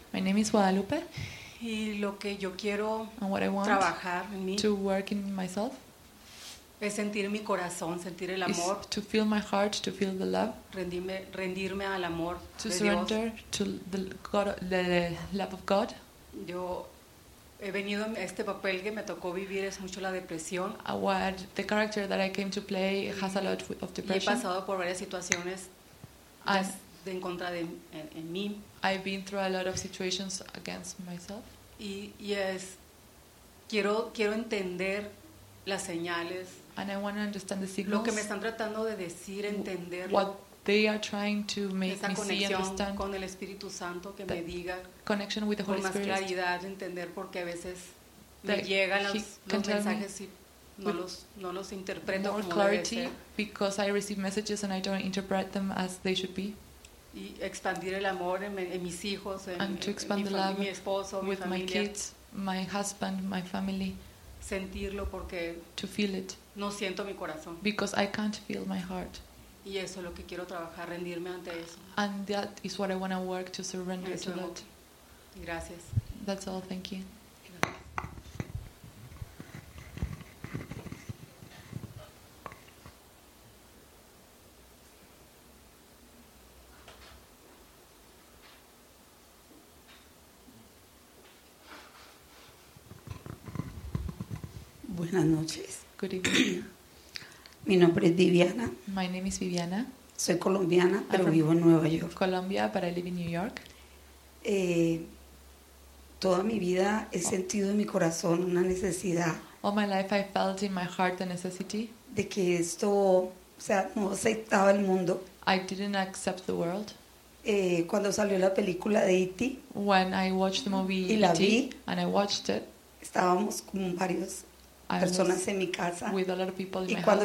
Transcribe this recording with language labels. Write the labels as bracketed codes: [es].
[en] My name is Guadalupe. [es] Y lo que yo quiero trabajar en mí, [en] to work in myself, [es] es sentir mi corazón, sentir el amor. [en] To feel my heart, to feel the love. [es] Rendirme al amor de Dios. [en] To surrender to the God, the love of God. [es] Yo he venido a este papel que me tocó vivir es mucho la depresión. [en] The character that I came to play has a lot of depression. [es] Y he pasado por varias situaciones. En contra de en mí. [en] I've been through a lot of situations against myself. [es] Y yes, quiero entender las señales. [en] And I want to understand the signals. [es] Lo que me están tratando de decir, entender. [en] What they are trying to make me see, understand. [es] Esa conexión con el Espíritu Santo que me diga. [en] Connection with the Holy Spirit. [es] Con más claridad, entender porque a veces me llegan los mensajes y no los interpreto como debe ser. [en] More clarity because I receive messages and I don't interpret them as they should be. [es] Y expandir el amor en mis hijos, mi esposo, mi [en] with [es] familia. [en] My kids, my husband, my family. [es] Sentirlo porque [en] to feel it. [es] No siento mi corazón. [en] Because I can't feel my heart. [es] Y eso es lo que quiero trabajar, rendirme ante eso. [en] And that is what I want to work to surrender to that. [es] Gracias. [en] That's all, thank you. [es] Buenas noches. [en] Good evening. [es] Mi nombre es Viviana. [en] My name is Viviana. [es] Soy colombiana, pero vivo en Nueva York. [en] Colombia, but I live in New York. [es] Toda mi vida he sentido en mi corazón una necesidad. [en] All my life I felt in my heart the necessity. [es] De que esto, o sea, no aceptaba el mundo. [en] I didn't accept the world. [es] Cuando salió la película de E.T. [en] When I watched the movie [es] y la vi, [en] and I watched it. [es] Estábamos con varios personas en mi casa [en] with a lot of people in [es] y cuando